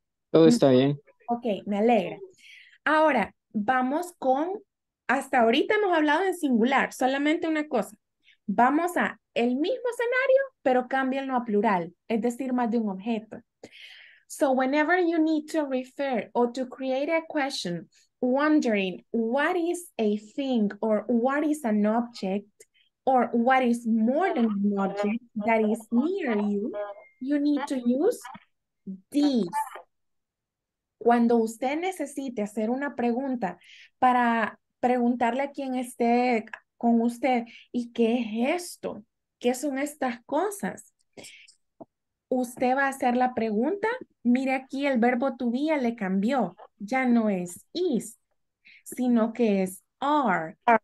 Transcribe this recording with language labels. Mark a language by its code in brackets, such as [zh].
[es] Todo está bien. Ok, me alegra. Ahora, vamos con, hasta ahorita hemos hablado en singular, solamente una cosa. Vamos a el mismo escenario, pero cámbialo a plural, es decir, más de un objeto. [en] So, whenever you need to refer or to create a question wondering what is a thing or what is an object or what is more than an object that is near you, you need to use this. [es] Cuando usted necesite hacer una pregunta para preguntarle a quien esté con usted, ¿y qué es esto? ¿Qué son estas cosas? Usted va a hacer la pregunta, mire aquí el verbo to be le cambió, ya no es is, sino que es are.